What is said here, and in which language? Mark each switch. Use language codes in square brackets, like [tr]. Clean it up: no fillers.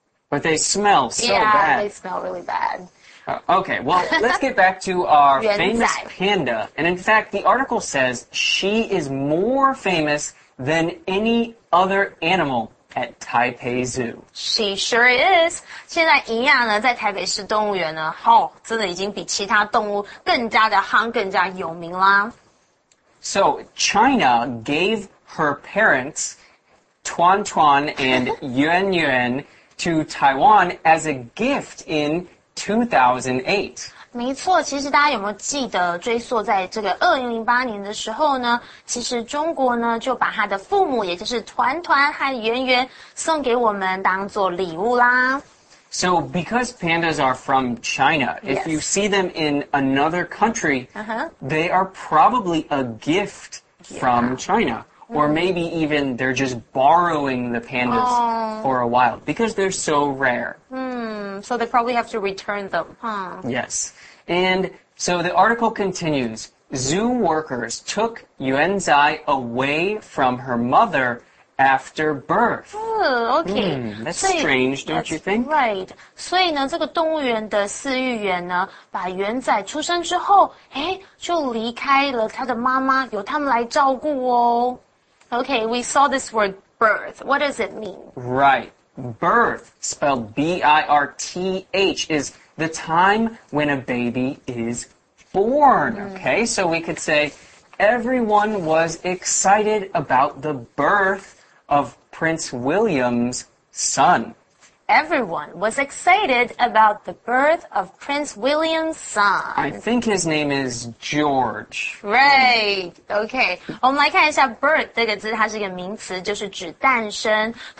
[en] But they smell so yeah, bad. Yeah, they smell really bad. Okay, well, let's get back to our famous panda. And in fact, the article says she is more famous than any other animal at Taipei Zoo. She sure is. [zh] 现在一样呢, 在台北市动物园呢, 吼, 真的已经比其他动物更加的夯,更加有名啦。 [en] So, China gave her parents, Tuan Tuan and Yuan Yuan, to Taiwan as a gift in 2008. [zh] 没错,其实大家有没有记得追溯在这个 2008年的时候呢, 其实中国呢就把他的父母, 也就是团团和圆圆, 送给我们当作礼物啦。 [en] So because pandas are from China, yes. if you see them in another country, they are probably a gift from China. Or maybe even they're just borrowing the pandas for a while because they're so rare. So they probably have to return them, huh? Yes. And so the article continues, zoo workers took Yuan Zai away from her mother after birth. Okay. That's strange, don't you think? Right. [zh] 所以呢,这个动物园的饲育员呢, 把元仔出生之后,诶,就离开了他的妈妈,由他们来照顾哦。 [en] Okay, we saw this word birth. What does it mean? Right. Birth, spelled B-I-R-T-H, is the time when a baby is born. Mm. Okay, so we could say everyone was excited about the birth of Prince William's son. Everyone was excited about the birth of Prince William's son. I think his name is George. Right, okay. [zh] 我们来看一下birth这个字,它是一个名词,就是指诞生。